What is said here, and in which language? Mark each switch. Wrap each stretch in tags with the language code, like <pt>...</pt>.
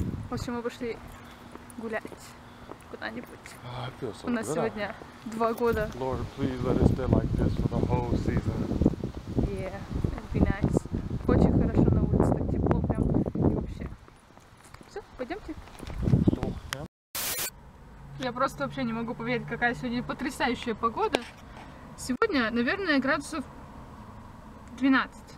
<ru>В общем, мы пошли гулять куда-нибудь. So у нас сегодня 2 года.</ru> <en>Lord, please let it stay like this for the whole season. Yeah, it'd be nice.</en> <ru>Очень хорошо на улице, так тепло прям и вообще. Все, пойдемте. Я просто вообще не могу поверить, какая сегодня потрясающая погода. Сегодня, наверное, градусов 12.</ru>